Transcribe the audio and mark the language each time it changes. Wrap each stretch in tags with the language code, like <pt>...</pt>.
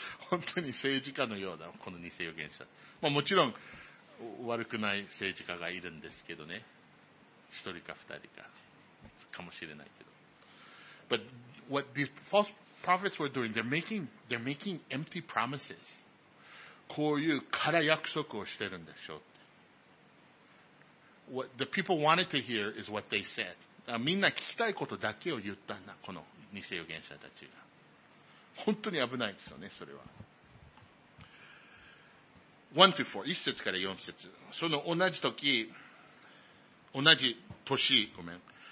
<ja>本当に政治家のような、この偽予言者。まあもちろん、悪くない政治家がいるんですけどね。一人か二人か。かもしれないけど。</ja> <en>But what the false prophets were doing, they're making empty promises.</en> <ja>こういう空約束をしてるんでしょう。</ja> <en>What the people wanted to hear is what they said.</en> <ja>みんな聞きたいことだけを言ったんだ、この偽予言者たちが。本当に危ないですよね、それは。</ja> <en>1 to 4、</en> <ja>1節から4節。その同じ時、同じ年、ごめん。</ja>